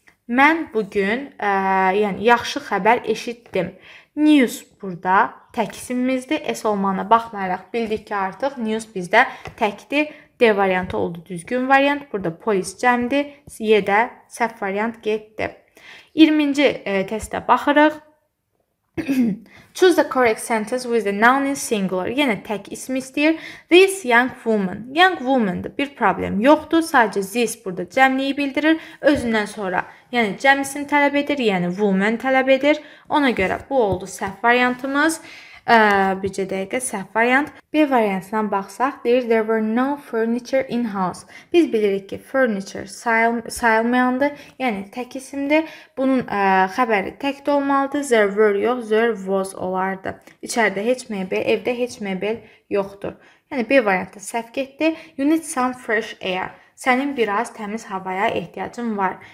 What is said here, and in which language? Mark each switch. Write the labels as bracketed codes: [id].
[az] Mən bugün yəni, yaxşı xəbər eşitdim. News burada təksimimizdir. S olmağına baxmayaraq bildik ki, artıq news bizdə təkdir. D variantı oldu düzgün variant. Burada polis cəmdir. Y-də səhv variant getdi. 20-ci testə baxırıq. [en] Choose the correct sentence with the noun in singular. [az] Yenə tək ismi istəyir. [en] This young woman. [az] Young woman'da bir problem yoxdur. Sadəcə this burada cəmliyi bildirir. Özündən sonra, yəni cəm isim tələb edir, yəni woman tələb edir. Ona görə bu oldu səhv variantımız. Bircə dəqiqə səhv variant. B variantına baxsaq, deyir [en] there were no furniture in house. [az] Biz bilirik ki, furniture sayılmayandır, yəni tək isimdir. Bunun xəbəri təkdə olmalıdır. [en] There were [az] yox, [en] there was [az] olardı. İçəridə heç mebel, evdə heç mebel yoxdur. Yəni B variantı səhv getdi. [en] You need some fresh air. [az] Sənin biraz təmiz havaya ehtiyacın var.